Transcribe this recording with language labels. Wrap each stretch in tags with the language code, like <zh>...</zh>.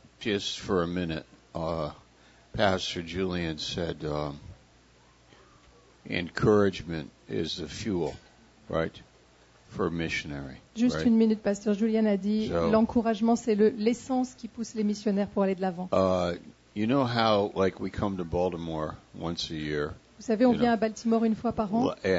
<en>Just for a minute, Pastor Julian said encouragement is the fuel, right? For missionary,</en> <fr>juste</fr> <en>right?</en> <fr>Une minute, Pasteur Julian a dit so, l'encouragement, c'est l'essence qui pousse les missionnaires pour aller de l'avant.</fr> <en>You know how, like, we come to Baltimore once a year.</en> <fr>Vous savez, on vient à Baltimore une fois par an.</fr>